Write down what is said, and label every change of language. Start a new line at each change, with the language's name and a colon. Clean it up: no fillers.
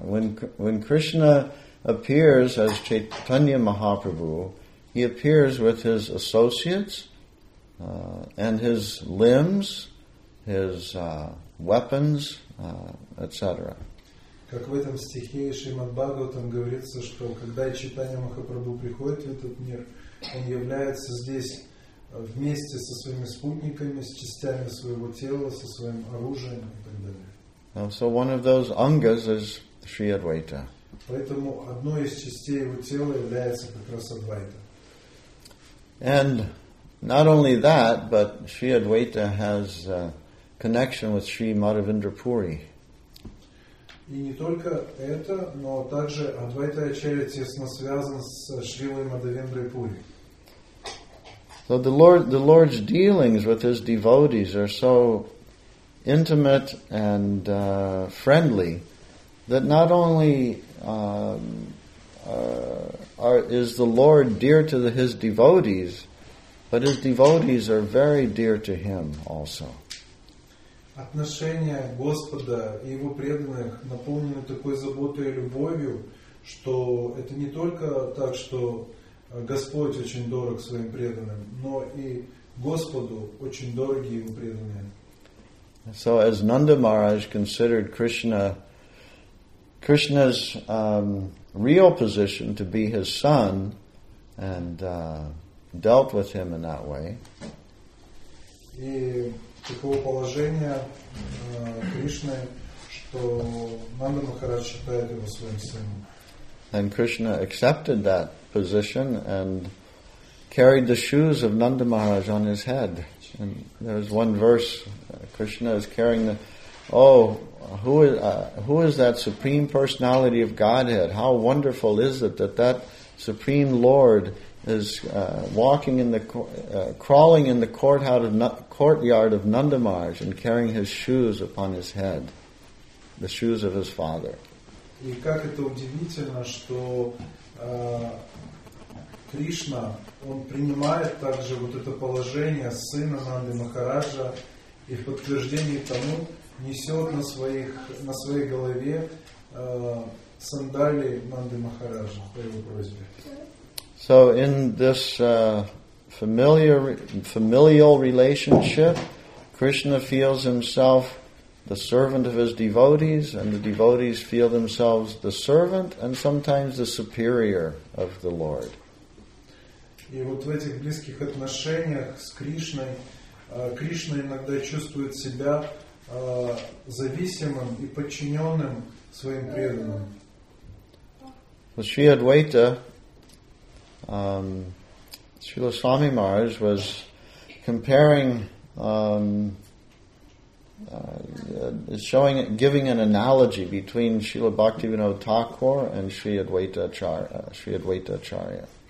English: When Krishna appears as Chaitanya Mahaprabhu, he appears with his associates and his limbs, his weapons, etc.
Russian: Как в этом стихе Шримад Бхагаватам говорится, что когда Чайтанья Махапрабху приходит в этот мир, он является здесь вместе со своими спутниками, с частями своего тела, со своим оружием и так далее.
English: So one of those angas is Sri Advaita.
Russian: Поэтому одной из частей его тела является как раз Адвайта.
English: And not only that, but Sri Advaita has a connection with Sri Madhavendra Puri.
Russian: И не только это, но также Адвайта Ачарья тесно связан с Шрилой Мадхавендрой Пури.
English: So the Lord's dealings with his devotees are so intimate and friendly that not only is the Lord dear to his devotees, but his devotees are very dear to him also.
Russian: Отношения Господа и Его преданных наполнены такой заботой и любовью, что это не только так, что Господь очень дорог своим преданным, но и Господу очень дороги Его преданные.
English: So as Nanda Maharaj considered Krishna's real position to be his son and dealt with him in that way.
Russian: И такого положения Кришны, что Нанда Махарадж считает его своим сыном.
English: And Krishna accepted that position and carried the shoes of Nanda Maharaj on his head. And there's one verse, Krishna is carrying the, who is that Supreme Personality of Godhead? How wonderful is it that Supreme Lord is crawling in the courtyard of Nanda Maharaj and carrying his shoes upon his head, the shoes of his father.
Russian: И как это удивительно, что Кришна, он принимает также вот это положение сына Нанды Махараджа и в подтверждении тому несет на своей голове сандалии Нанды Махараджа по его просьбе.
English: So in this familial relationship, Krishna feels himself the servant of his devotees, and the devotees feel themselves the servant and sometimes the superior of the Lord.
Russian: И вот в этих близких отношениях с Кришной, Кришна иногда чувствует себя зависимым и подчиненным своим преданным.
English: Sri Advaita, Srila Swami Maharaj was comparing giving an analogy between Srila Bhaktivinoda Thakur and Sri Advaita Acharya.